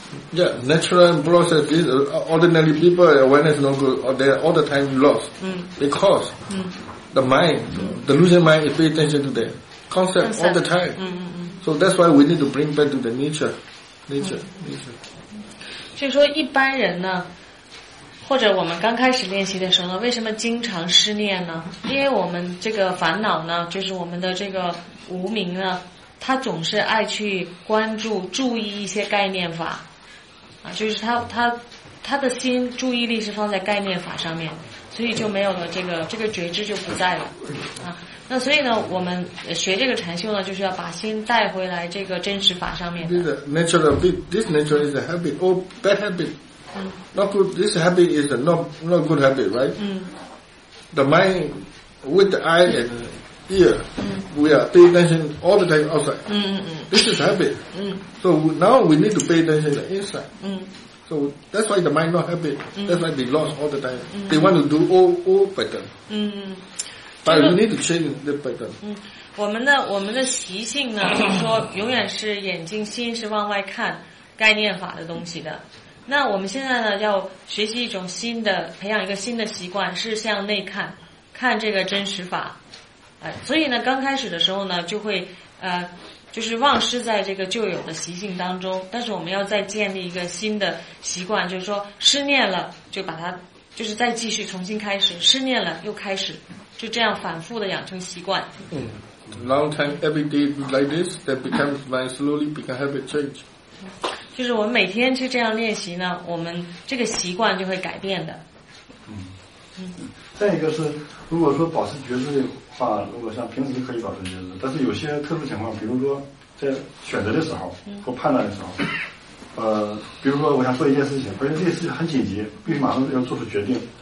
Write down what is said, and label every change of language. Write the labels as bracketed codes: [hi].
[en] Yeah, natural process is ordinary people awareness no good. They are all the time lost because the mind, the losing mind, is pay attention to the concept all the time. So that's why we need to bring back to the nature. [zh] 所以说一般人呢，或者我们刚开始练习的时候呢，为什么经常失念呢？因为我们这个烦恼呢，就是我们的这个无明呢，它总是爱去关注、注意一些概念法。就是他的心注意力是放在概念法上面，所以就没有了这个觉知就不在了啊。那所以呢，我们学这个禅修呢，就是要把心带回来这个真实法上面的。 [en] This nature is a habit or bad habit. Not good. This habit is a not good habit, right? The mind with the eye and ear, we are paying attention all the time outside. This is habit. So now we need to pay attention to the inside. So that's why the mind not happy. That's why they lost all the time. They want to do all pattern. But we need to change the pattern. [zh] 我们的习性呢，就是说永远是眼睛心是往外看概念法的东西的。那我们现在呢，要学习一种新的，培养一个新的习惯，是向内看，看这个真实法。所以呢，刚开始的时候呢，就会就是忘失在这个旧有的习性当中，但是我们要再建立一个新的习惯，就是说失念了就把它，就是再继续重新开始，失念了又开始，就这样反复的养成习惯。 [en] Long time every day like this, that becomes my slowly become habit change. [zh] 就是我们每天去这样练习呢，我们这个习惯就会改变的。再一个是，如果说保持觉知的话，如果像平时可以保持觉知，但是有些特殊情况，比如说在选择的时候或判断的时候，比如说我想做一件事情，而且这件事情很紧急，必须马上要做出决定。